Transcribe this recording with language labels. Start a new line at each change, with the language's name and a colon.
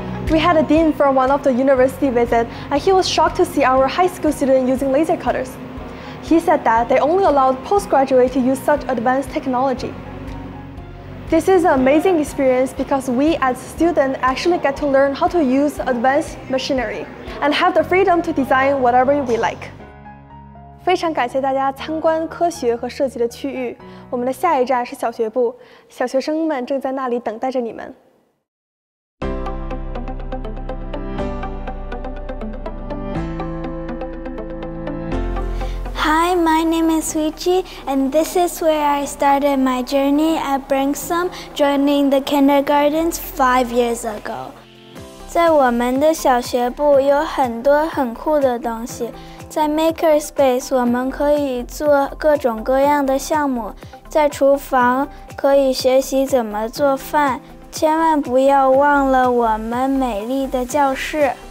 English: We had a dean for one of the university visit, and he was shocked to see our high school student using laser cutters. He said that they only allowed postgraduate to use such advanced technology. This is an amazing experience because we as students actually get to learn how to use advanced machinery and have the freedom to design whatever we like.
Chinese: 非常感谢大家参观科学和设计的区域。我们的下一站是小学部，小学生们正在那里等待着你们。
English: Hi, my name is Suichi, and this is where I started my journey at Brinksome, joining the kindergartens 5 years ago.
Chinese: 在我们的小学部有很多很酷的东西。在 Maker Space， 我们可以做各种各样的项目。在厨房可以学习怎么做饭。千万不要忘了我们美丽的教室。